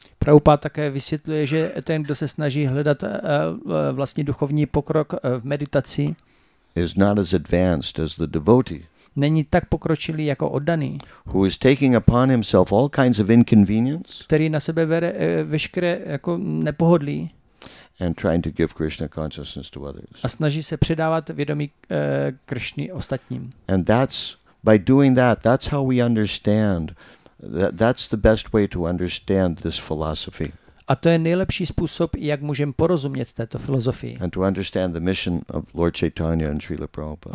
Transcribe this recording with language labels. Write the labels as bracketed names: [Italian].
[Czech] Prabhupada také vysvětluje, že ten, kdo se snaží hledat vlastní duchovní pokrok v meditaci, [English] is not as advanced as the devotee. [Czech] Není tak pokročilý jako oddaný. [English] Who is taking upon himself all kinds of inconvenience? [Czech] Který na sebe bere veškeré jako nepohodlí. [English] And trying to give Krishna consciousness to others. [Czech] A snaží se předávat vědomí Krišny ostatním. [English] And that's by doing that, that's how we understand that that's the best way to understand this philosophy. [Czech] A to je nejlepší způsob, jak můžeme porozumět této filozofii. [English] And to understand the mission of Lord Chaitanya and Srila Prabhupada.